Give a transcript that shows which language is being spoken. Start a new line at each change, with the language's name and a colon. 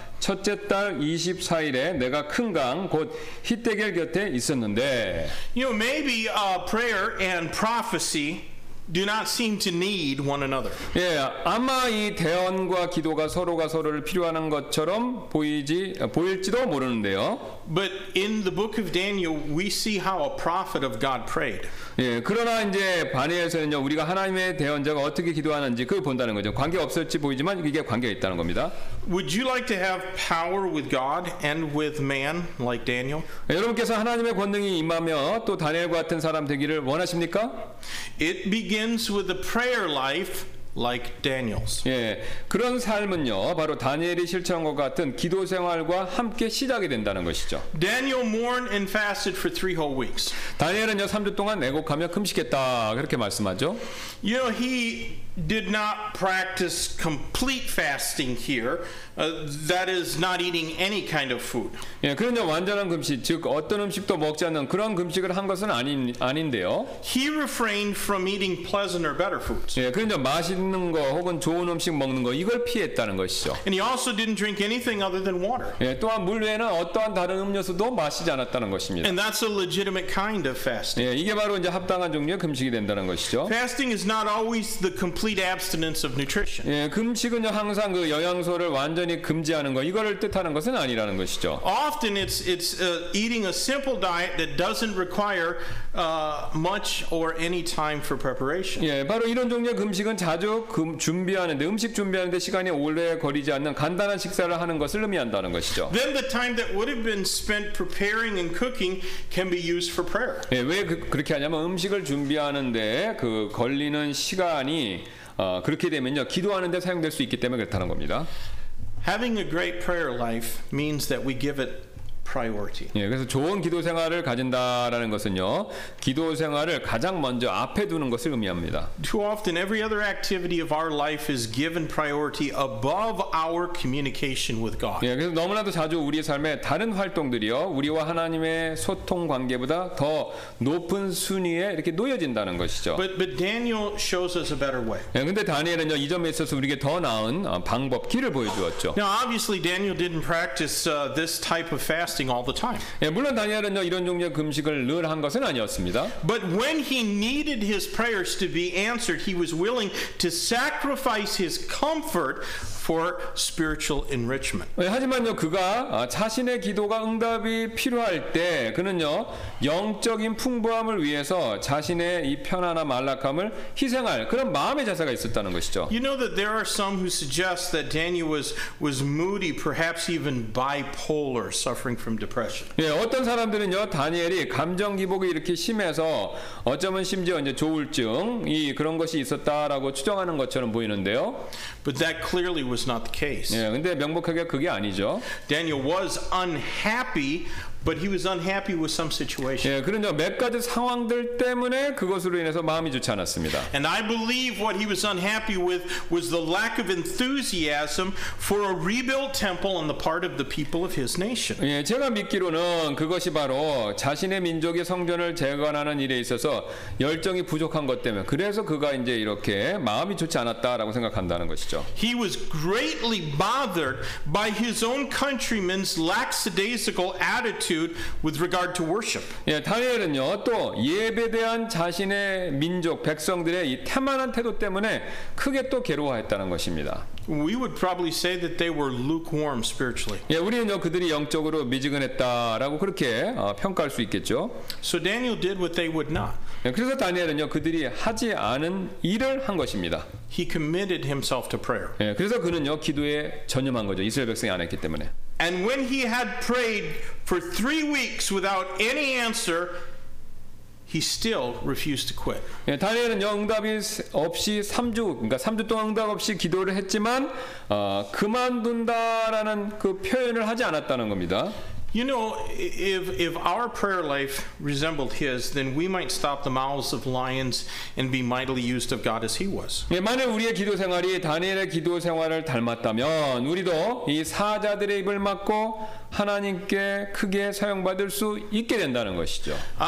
Korean: 첫째 달 24일에 내가 큰 강 곧 히데겔 곁에 있었는데.
English: You know, maybe prayer and prophecy do not seem to need one another.
Korean: 예, 아마 이 대언과 기도가 서로가 서로를 필요하는 것처럼 보일지도 모르는데요.
English: But in the book of Daniel, we see how a prophet of God prayed.
Korean: 예, 그러나 이제 다니엘서는요, 우리가 하나님의 대언자가 어떻게 기도하는지 그걸 본다는 거죠. 관계 없을지 보이지만 이게 관계가 있다는 겁니다.
English: Would you like to have power with God and with man like Daniel?
Korean: 여러분께서 하나님의 권능이 임하며 또 다니엘과 같은 사람 되기를 원하십니까?
English: It begins with a prayer life like Daniel's.
Korean: 예, 그런 삶은요, 바로 다니엘이 실천한 것 같은 기도 생활과 함께 시작이 된다는 것이죠.
English: Daniel mourned and fasted for three whole weeks.
Korean: 다니엘은요, 3주 동안 애곡하며 금식했다 그렇게 말씀하죠.
English: You know, he did not practice complete fasting here. That is not eating any kind of food.
Korean: 예, 그런데 완전한 금식, 즉 어떤 음식도 먹지 않는 그런 금식을 한 것은 아닌데요.
English: He refrained from eating pleasant or better foods.
Korean: 예, 그런데 맛있는 거 혹은 좋은 음식 먹는 거 이걸 피했다는 것이죠.
English: And he also didn't drink anything other than water.
Korean: 예, 또한 물 외에는 어떠한 다른 음료수도 마시지 않았다는 것입니다.
English: And that's a legitimate kind of fasting.
Korean: 예, 이게 바로 이제 합당한 종류의 금식이 된다는 것이죠.
English: Fasting is not always the complete abstinence of nutrition.
Korean: 예, 금식은요 항상 그 영양소를 완전 금지하는 거 이거를 뜻하는 것은 아니라는 것이죠.
English: Often it's eating a simple diet that doesn't require much or any time for preparation.
Korean: 예, 바로 이런 종류의 금식은 자주 준비하는데 음식 준비하는데 시간이 오래 걸리지 않는 간단한 식사를 하는 것을 의미한다는 것이죠.
English: Then the time that would have been spent preparing and cooking can be used for prayer.
Korean: 예, 왜 그렇게 하냐면 음식을 준비하는데 그 걸리는 시간이 그렇게 되면요 기도하는데 사용될 수 있기 때문에 그렇다는 겁니다.
English: Having a great prayer life means that we give it priority.
Korean: 예, 그래서 좋은 기도 생활을 가진다라는 것은요, 기도 생활을 가장 먼저 앞에 두는 것을 의미합니다.
English: Too often, every other activity of our life is given priority above our communication with God.
Korean: 예, 그래서 너무나도 자주 우리의 삶의 다른 활동들이요, 우리와 하나님의 소통 관계보다 더 높은 순위에 이렇게 놓여진다는 것이죠.
English: But Daniel shows us a better way.
Korean: 예, 근데 다니엘은요, 이 점에 있어서 우리에게 더 나은 방법, 길을 보여주었죠.
English: Now, obviously, Daniel didn't practice this type of fasting all the time.
Korean: 예, 물론 다니엘은요, 이런 종류의 금식을 늘 한 것은 아니었습니다.
English: But when he needed his prayers to be answered, he was willing to sacrifice his comfort for spiritual enrichment.
Korean: 예, 하지만요, 그가 자신의 기도가 응답이 필요할 때, 그는요, 영적인 풍부함을 위해서 자신의 이 편안함, 안락함을 희생할 그런 마음의 자세가 있었다는 것이죠.
English: You know that there are some who suggest that Daniel was moody, perhaps even bipolar, suffering from depression.
Korean: 예, 어떤 사람들은요, 다니엘이 감정 기복이 이렇게 심해서 어쩌면 심지어 이제 조울증이 그런 것이 있었다라고 추정하는 것처럼 보이는데요.
English: But that clearly was not the case.
Korean: 예, 근데 명백하게 그게 아니죠.
English: Daniel was unhappy. But he was unhappy with some situation.
Korean: 예, 그런요 몇 가지 상황들 때문에 그것으로 인해서 마음이 좋지 않았습니다.
English: And I believe what he was unhappy with was the lack of enthusiasm for a rebuilt temple on the part of the people of his nation.
Korean: 예, 제가 믿기로는 그것이 바로 자신의 민족의 성전을 재건하는 일에 있어서 열정이 부족한 것 때문에 그래서 그가 이제 이렇게 마음이 좋지 않았다라고 생각한다는 것이죠.
English: He was greatly bothered by his own countrymen's lackadaisical attitude. With regard to worship.
Korean: 예, 다니엘은요 또 예배에 대한 자신의 민족 백성들의 이 태만한 태도 때문에 크게 또 괴로워했다는 것입니다.
English: We would probably say that they were lukewarm spiritually.
Korean: 예, 우리는요 그들이 영적으로 미지근했다라고 그렇게 평가할 수 있겠죠.
English: So Daniel did what they would not.
Korean: 예, 그래서 다니엘은요 그들이 하지 않은 일을 한 것입니다.
English: He committed himself to prayer.
Korean: 예, 그래서 그는요 기도에 전념한 거죠. 이스라엘 백성이 안 했기 때문에.
English: And when he had prayed for 3 weeks without any answer, he still refused to quit.
Korean: 예, 다니엘은요 응답이 없이 3주, 그러니까 3주 동안 응답 없이 기도를 했지만 그만둔다라는 그 표현을 하지 않았다는 겁니다.
English: You know, if our prayer life resembled his, then we might stop the mouths of lions and be mightily used of God as he was.
Korean: 예, 만약 우리의 기도 생활이 다니엘의 기도 생활을 닮았다면 우리도 이 사자들의 입을 막고 하나님께 크게 사용받을 수 있게 된다는 것이죠.